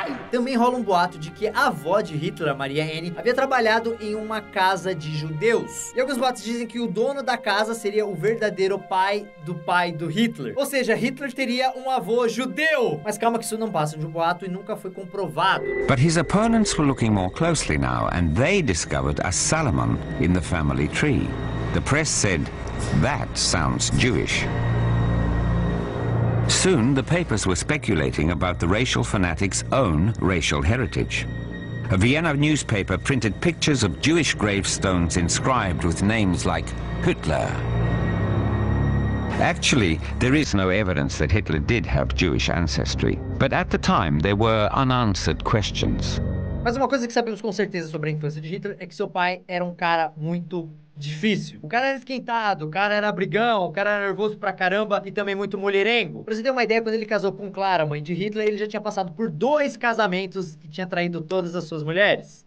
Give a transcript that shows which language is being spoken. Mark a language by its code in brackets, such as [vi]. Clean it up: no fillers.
[pt] Também rola um boato de que a avó de Hitler, Maria Anne, havia trabalhado em uma casa de judeus. E alguns boatos dizem que o dono da casa seria o verdadeiro pai do Hitler. Ou seja, Hitler teria um avô judeu. Mas calma que isso não passa de um boato e nunca foi comprovado. [en] But his opponents were looking more closely now and they discovered a Salomon in the family tree. The press said, that sounds Jewish. Soon, the papers were speculating about the racial fanatic's own racial heritage. A Vienna newspaper printed pictures of Jewish gravestones inscribed with names like Hitler. Actually, there is no evidence that Hitler did have Jewish ancestry, but at the time, there were unanswered questions. [pt] Mas uma coisa que sabemos com certeza sobre a infância de Hitler é que seu pai era um cara muito difícil. O cara era esquentado, o cara era brigão, o cara era nervoso pra caramba e também muito mulherengo. Pra você ter uma ideia, quando ele casou com Clara, mãe de Hitler, ele já tinha passado por 2 casamentos e tinha traído todas as suas mulheres.